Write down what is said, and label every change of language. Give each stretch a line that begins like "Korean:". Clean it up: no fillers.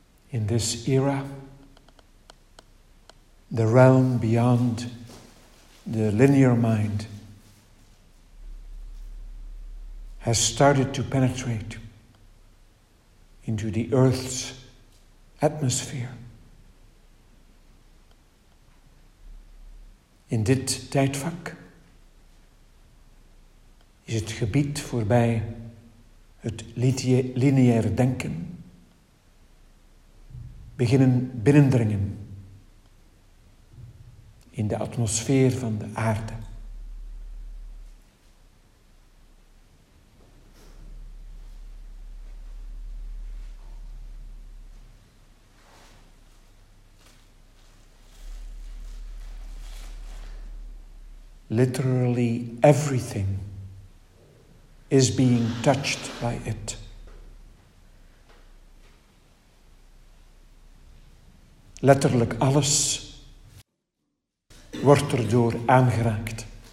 English: In this era, the realm beyond the linear mind has started to penetrate into the Earth's atmosphere.
Dutch: In dit tijdvak is het gebied voorbij het lineaire denken beginnen binnendringen in de atmosfeer van de aarde.
English: Literally everything is being touched by it.
Dutch: Letterlijk alles wordt erdoor aangeraakt.